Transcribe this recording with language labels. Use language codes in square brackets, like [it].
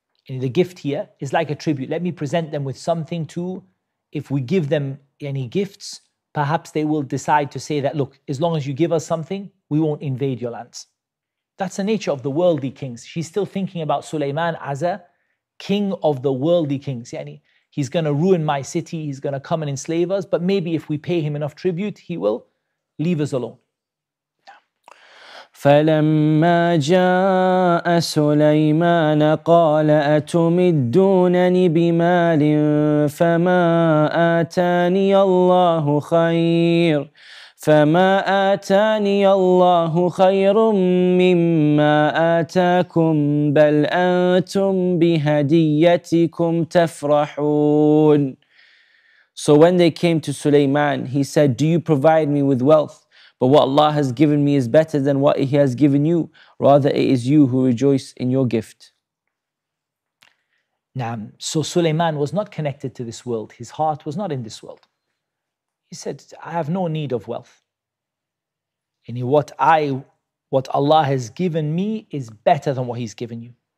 [en] Yani the gift here is like a tribute. Let me present them with something to, if we give them any gifts, perhaps they will decide to say that, look, as long as you give us something, we won't invade your lands. That's the nature of the worldly kings. She's still thinking about Sulaiman as a king of the worldly kings. Yani, he's going to ruin my city, he's going to come and enslave us, but maybe if we pay him enough tribute, he will leave us alone. [ar] فَلَمَّا جَاءَ سُلَيْمَانَ قَالَ أَتُمِدُّونَنِ بِمَالٍ فَمَا آتَانِيَ اللَّهُ خَيْرٌ فَمَا آتَانِيَ اللَّهُ خَيْرٌ مِّمَّا آتَاكُمْ بَلْ أَنْتُمْ بِهَدِيَّتِكُمْ تَفْرَحُونَ [en] So when they came to Sulaiman, he said, Do you provide me with wealth? But what Allah has given me is better than what He has given you. Rather, it is you who rejoice in your gift. [ar] Naam. [en] So Sulaiman was not connected to this world. His heart was not in this world. He said, I have no need of wealth. And what Allah has given me is better than what He's given you.